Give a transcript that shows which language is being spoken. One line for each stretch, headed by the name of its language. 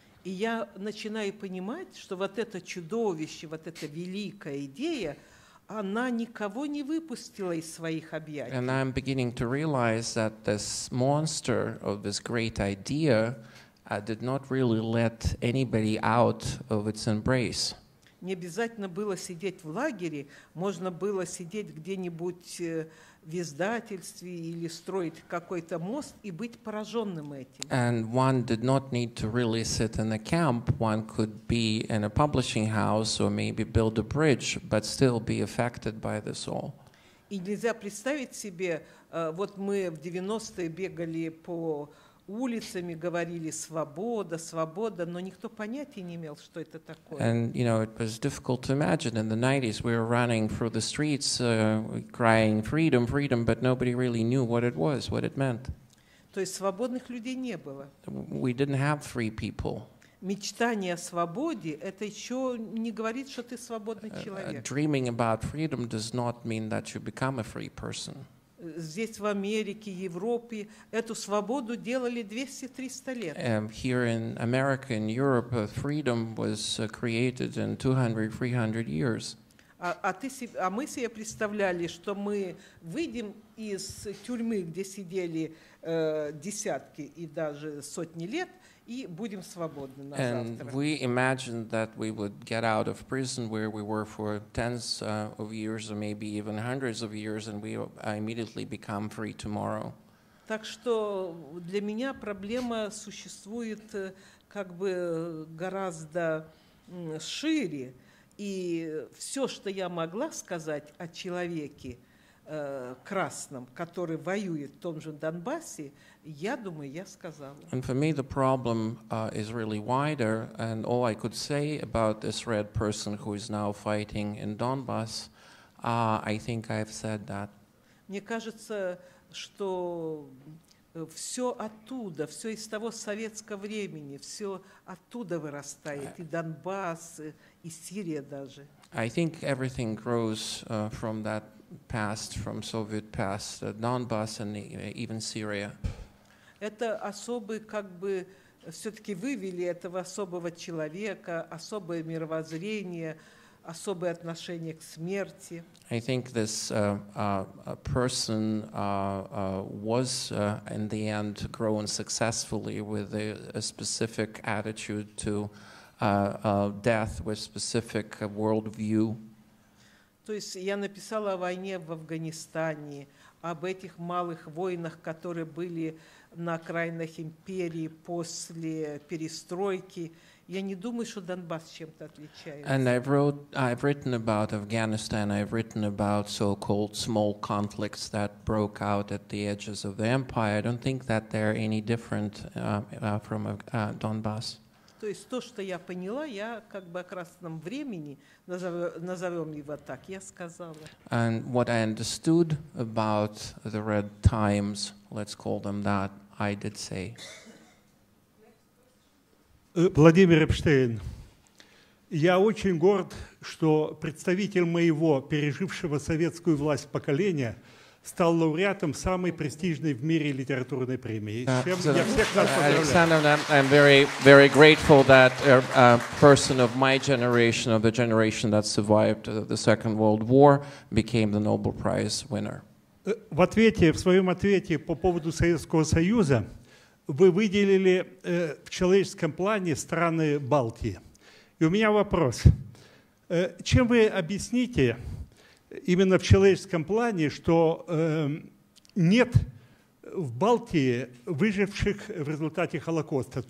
Russian: И я начинаю понимать, что вот это чудовище, вот эта великая идея, она никого не выпустила из своих объятий.
English: And I'm beginning to realize that this monster of this great idea did not really let anybody out of its embrace.
Russian: Не обязательно было сидеть в лагере, можно было сидеть где-нибудь в издательстве или строить какой-то мост и быть пораженным этим.
English: And one did not need to really sit in a camp. One could be in a publishing house or maybe build a bridge, but still be affected by this all.
Russian: И нельзя представить себе, вот мы в 90-е бегали по улицами, говорили «свобода, свобода», но никто понятия не имел, что это такое.
English: And, you know, it was difficult to imagine. In the 90s, we were running through the streets, crying «freedom, freedom», but nobody really knew what it was, what it meant.
Russian: То есть свободных людей не было.
English: We didn't have free people.
Russian: Мечтание о свободе – это еще не говорит, что ты свободный человек.
English: Dreaming about freedom does not mean that you become a free person.
Russian: Здесь, в Америке, Европе, эту свободу делали 200-300 лет.
English: Here in America, in Europe, freedom was created in 200-300 years.
Russian: А мы себе представляли, что мы выйдем из тюрьмы, где сидели десятки и даже сотни лет, и будем свободны на завтра.
English: And we imagined that we would get out of prison where we were for tens of years or maybe even hundreds of years and we immediately become free tomorrow.
Russian: Так что для меня проблема существует как бы гораздо шире, и все, что я могла сказать о человеке красном, который воюет в том же Донбассе, я думаю, я сказала.
English: And for me the problem is really wider, and all I could say about this red person who is now fighting in Donbass, I think I've said that.
Russian: Мне кажется, что все оттуда, все из того советского времени, все оттуда вырастает, и Донбасс, и Сирия даже.
English: I think everything grows from that past, from Soviet past, Donbass and even Syria.
Russian: Это особый, как бы, все-таки вывели этого особого человека, особое мировоззрение, особое отношение к смерти.
English: I think this person was, in the end, grown successfully with a specific attitude to death, with specific worldview.
Russian: То есть я написала о войне в Афганистане, об этих малых войнах, которые были на окраинах империи после перестройки. Я не думаю, что Донбасс чем-то отличается.
English: And I've written about Afghanistan, I've written about so-called small conflicts that broke out at the edges of the empire. I don't think that they're any different from Donbass.
Russian: То есть то, что я поняла, я как бы о красном времени, назовем его так, я сказала.
English: And what I understood about the red times, let's call them that, I did say.
Russian: Владимир Эпштейн, я очень горд, что представитель моего пережившего советскую власть поколения стал лауреатом самой престижной в мире литературной премии.
English: Александровна, I'm very, very grateful that a person of my generation, of the generation that survived the Second World War, became the Nobel Prize winner.
Russian: В ответе, в своем ответе по поводу Советского Союза, вы выделили в человеческом плане страны Балтии. И у меня вопрос. Чем вы объясните именно в человеческом плане, что нет в Балтии выживших в результате Холокоста?